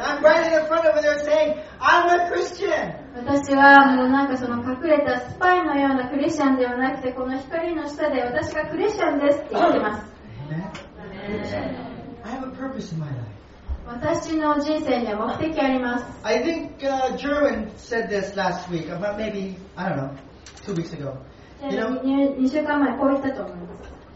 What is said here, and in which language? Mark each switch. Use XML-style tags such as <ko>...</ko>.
<en>I'm right in front of them saying, I'm a Christian.</en> <ja>私はもうなんかその隠れたスパイのようなクリスチャンではなくて、この光の下で私がクリスチャンですって言ってます。</ja> <en>I have a purpose in my life.</en> <ja>私の人生には目的あります。</ja> <en>I think German said this last week, but maybe, I don't know, 2 weeks ago. You know,</en> <ja>2週間前こう言ったと思います。</ja>